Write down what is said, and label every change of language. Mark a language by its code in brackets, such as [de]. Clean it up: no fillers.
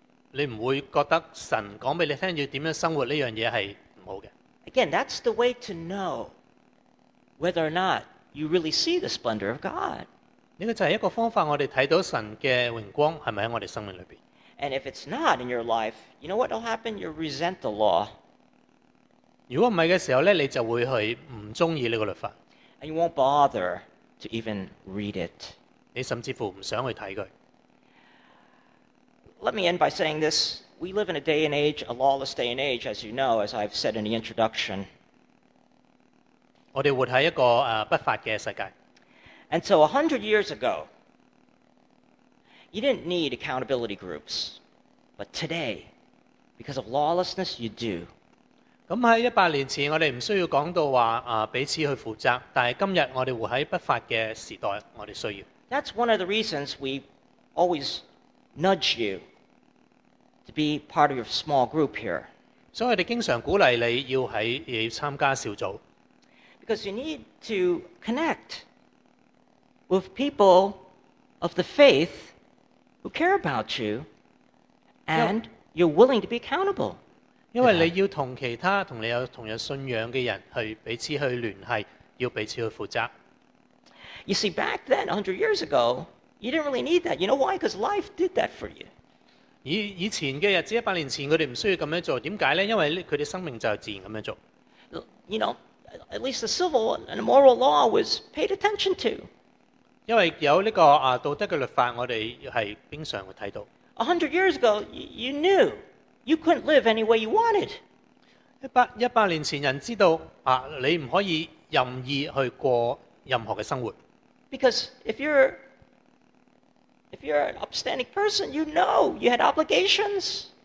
[zh] 你不会觉得神告诉你要怎样生活这件事是不好的。 [en] Again, that's the way to know whether or not you really see the splendor of God. [zh] 这个就是一个方法，我们看到神的荣光是不是在我们生命里面。 [en] And if it's not in your life, you know what will happen? You'll resent the law. [zh] 如果不是的时候，你就会去不喜欢这个律法。 [en] And you won't bother to even read it. [zh] 你甚至乎不想去看它。 [en] Let me end by saying this. We live in a day and age, a lawless day and age, as you know, as I've said in the introduction. [zh] 我们活在一个不法的世界。 [en] And so 100 years ago, you didn't need accountability groups. But today, because of lawlessness, you do. [zh] 咁喺100年前，我们不需要讲到话彼此去负责，但是今天我们活在不法的时代，我们需要。 [en] That's one of the reasons we always nudge you. To be part of your small group here. So we [zh] 经常鼓励你要参加小组 [en] Because you need to connect with people of the faith who care about you and you're willing to be accountable. [zh] 因为你要同其他同你有同样信仰的人去彼此去联系，要彼此去负责。 [en] You see, back then, 100 years ago, you didn't really need that. You know why? Because life did that for you. [zh] 以前的日子，100年前，他们不需要这样做。为什么呢？因为他们的生命就自然这样做。 [en] You know, at least the civil and moral law was paid attention to. [zh] 因为有这个道德的律法，我们是经常会看到。 [en] 100 years ago, you knew you couldn't live any way you wanted. [zh] 100年前人知道啊，你唔可以任意去过任何嘅生活。 [en] Because if you're an upstanding person, you know you had obligations.